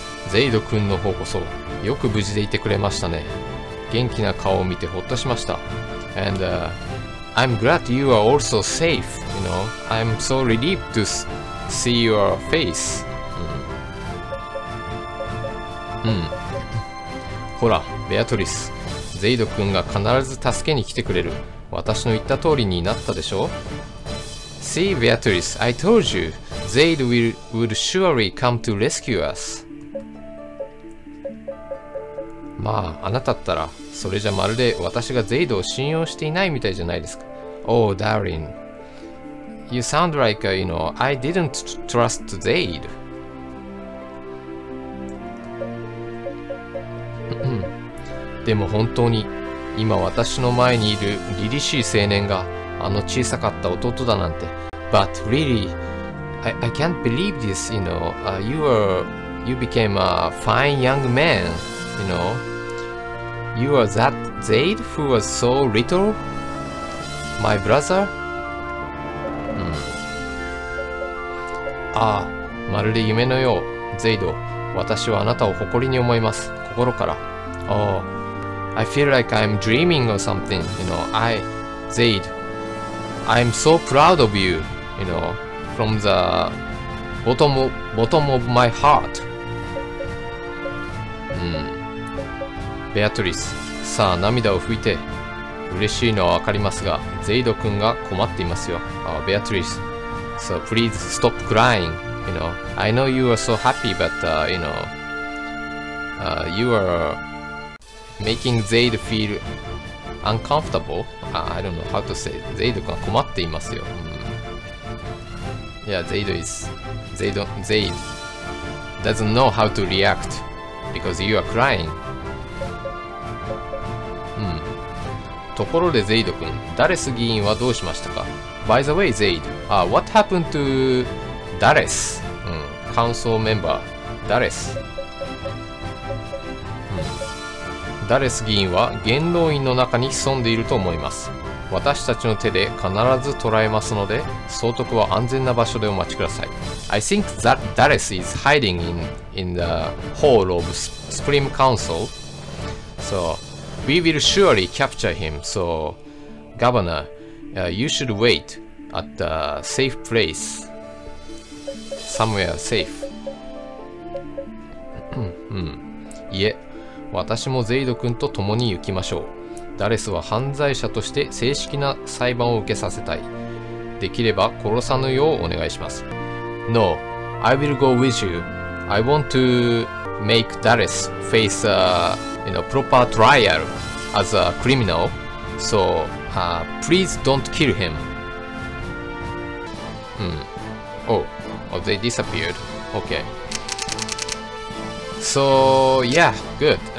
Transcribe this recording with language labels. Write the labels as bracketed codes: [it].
[ja] ゼイド君の方こそ、よく無事でいてくれましたね。元気な顔を見てほっとしました。 [en] And, I'm glad you are also safe, you know. I'm so relieved to see your face. [ja] ほら、ベアトリス。ゼイド君が必ず助けに来てくれる。私の言った通りになったでしょ？ [en] See, Beatrice, I told you, Zaid would surely come to rescue us. [ja] まあ、あなたったら、それじゃまるで私がゼイドを信用していないみたいじゃないですか。 [en] Oh, darling, you sound like, you know, I didn't trust Zaid. [ja] でも本当に、今私の前にいる凛々しい青年が、あの小さかった弟だなんて、 [en] But really, I can't believe this, you know.、You became a fine young man, you know. You are that Zaid who was so little? My brother?、 [ja] ああ、まるで夢のよう。ゼイド、私はあなたを誇りに思います。心から。 [en] Oh, I feel like I'm dreaming or something, you know. Zaid, I'm so proud of you. You know, from the bottom of my heart. [ja] ベアトリス、さあ涙を拭いて。嬉しいのはわかりますが、ゼイド君が困っていますよ。 [en] ベアトリス、So please stop crying. You know, I know you are so happy, but you know, you are making Zaid feel uncomfortable. I don't know how to say. [ja] ゼイド君は困っていますよ。 [en] Yeah, Zaid doesn't know how to react because you are crying. [ja] ところでゼイド君、ダレス議員はどうしましたか？ [en] By the way, Zaid, what happened to ダレス？ Council member, ダレス。 [ja] ダレス議員は元老院の中に潜んでいると思います。私たちの手で必ず捕らえますので、総督は安全な場所でお待ちください。 [en] I think that Dallas is hiding in the hall of Supreme Council. So, we will surely capture him. So, Governor, you should wait at a safe place. Somewhere safe. [ja] いえ、私もゼイド君と共に行きましょう。ダレスは犯罪者として正式な裁判を受けさせたい。できれば殺さぬようお願いします。 [en] No, I will go with you. I want to make Dallas face a you know, proper trial as a criminal. So, please don't kill him. Oh, they disappeared. Okay. So, yeah, good.